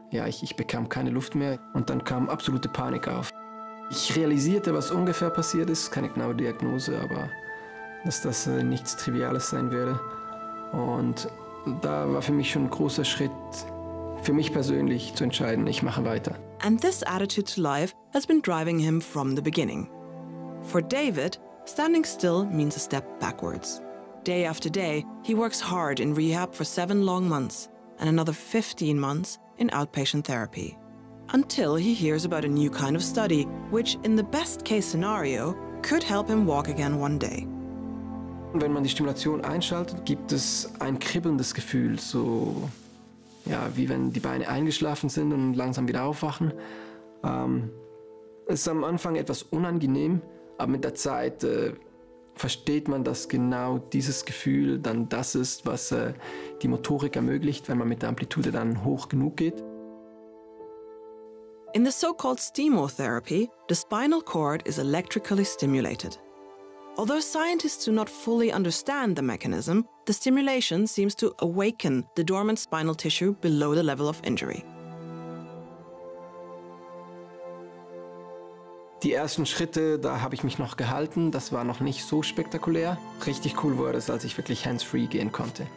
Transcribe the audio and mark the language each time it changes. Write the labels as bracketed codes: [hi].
[de] Ja, ich bekam keine Luft mehr. Und dann kam absolute Panik auf. Ich realisierte, was ungefähr passiert ist. Keine genaue Diagnose, aber dass das nichts Triviales sein werde. Und da war für mich schon ein großer Schritt, für mich persönlich zu entscheiden, ich mache weiter. [en] And this attitude to life has been driving him from the beginning. For David, standing still means a step backwards. Day after day, he works hard in rehab for 7 long months and another 15 months in outpatient therapy. Until he hears about a new kind of study, which in the best case scenario, could help him walk again one day. [de] Wenn man die Stimulation einschaltet, gibt es ein kribbelndes Gefühl, so ja, wie wenn die Beine eingeschlafen sind und langsam wieder aufwachen. Es ist am Anfang etwas unangenehm, aber mit der Zeit versteht man, dass genau dieses Gefühl dann das ist, was die Motorik ermöglicht, wenn man mit der Amplitude dann hoch genug geht. [en] In the so-called stimotherapy, the spinal cord is electrically stimulated. Although scientists do not fully understand the mechanism, the stimulation seems to awaken the dormant spinal tissue below the level of injury. [de] Die ersten Schritte, da habe ich mich noch gehalten, das war noch nicht so spektakulär. Richtig cool wurde es, als ich wirklich hands-free gehen konnte.